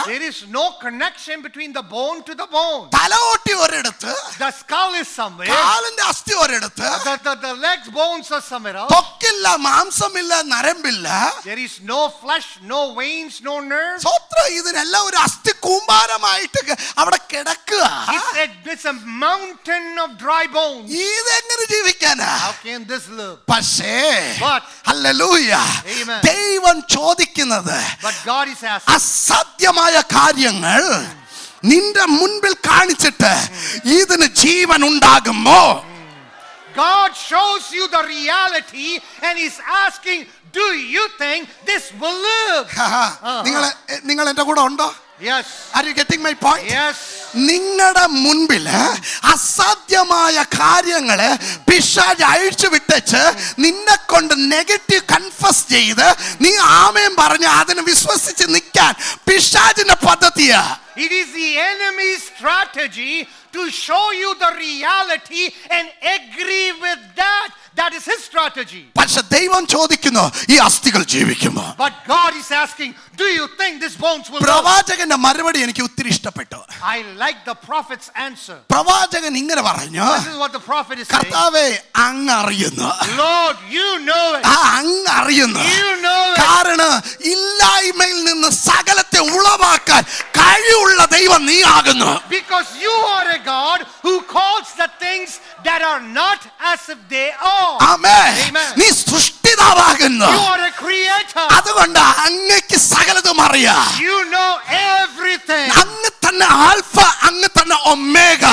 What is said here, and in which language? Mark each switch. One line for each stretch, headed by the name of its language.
English: There is no connection between the bone to the bone.
Malayalam: തലോട്ടി ഒരിടത്ത്.
English: The skull is somewhere.
Malayalam: കാലിന്റെ അസ്ഥി ഒരിടത്ത്.
English: The legs bones are somewhere.
Malayalam: തൊക്കില്ല, മാംസമില്ല, നരമ്പില്ല.
English: There is no flesh, no veins, no nerves.
Malayalam: സ്വത്ര ഇതിനെല്ലാം ഒരു അസ്ഥി കൂമ്പാരമായിട്ട് അവിടെ കിടക്കുക.
English: It's a mountain of dry bones.
Malayalam: ഇതെങ്ങനെ ജീവിക്കാനാ?
English: How can this live?
Malayalam: പക്ഷേ
English: But hallelujah. Amen.
Malayalam: ദൈവം ചോദിക്കുന്നത്
English: But God is asking.
Malayalam: അസാധ്യമായ കാര്യങ്ങൾ നിന്റെ മുൻപിൽ കാണിച്ചിട്ട് ഇതിന് ജീവൻ ഉണ്ടാകുമോ?
English: God shows you the reality and is asking, do you think this will live?
Malayalam: നിങ്ങൾ എന്റെ കൂടെ ഉണ്ടോ?
English: Yes. Are you getting my point? Yes.
Malayalam: നിങ്ങളുടെ മുൻപിൽ അസാധ്യമായ കാര്യങ്ങളെ പിശാച് അഴിച്ചു വിട്ടച്ച് നിന്നെ കൊണ്ട് നെഗറ്റീവ് കൺഫസ് ചെയ്ത് നീ ആമേൻ പറഞ്ഞ് അതിനെ വിശ്വസിച്ച് നിൽക്കാൻ പിശാചിന്റെ പദ്ധതിയാ.
English: It is the enemy's strategy to show you the reality and agree with that. That is his strategy.
Malayalam: പക്ഷെ ദൈവം ചോദിക്കുന്നു, ഈ അസ്ഥികൾ ജീവിക്കുമോ?
English: But God is asking, do you think this bones will?
Malayalam: പ്രവാചകന്റെ മറുപടി എനിക്ക് ഒത്തിരി ഇഷ്ടപ്പെട്ടു.
English: I like the prophet's answer.
Malayalam: പ്രവാചകൻ ഇങ്ങനെ പറഞ്ഞു.
English: This is what the prophet is saying.
Malayalam: കർത്താവേ, അങ്ങ് അറിയുന്നു.
English: Lord, you know it.
Malayalam: അങ്ങ് അറിയുന്നു.
English: You know it.
Malayalam: കാരണം ഇല്ലായ്മയിൽ നിന്ന് സകലത്തെ ഉളവാക്കാൻ കഴിവുള്ള ദൈവം നീ ആകുന്നു.
English: Because you are a God who calls the things that are not as if they are. Amen.
Malayalam: നീ സൃഷ്ടിതാവാകുന്നു.
English: You are a creator.
Malayalam: അതുകൊണ്ട് അങ്ങേക്ക് സകലതും അറിയാ.
English: You know everything.
Malayalam: അങ്ങ് തന്നെ ആൽഫ, അങ്ങ് തന്നെ ഒമേഗ.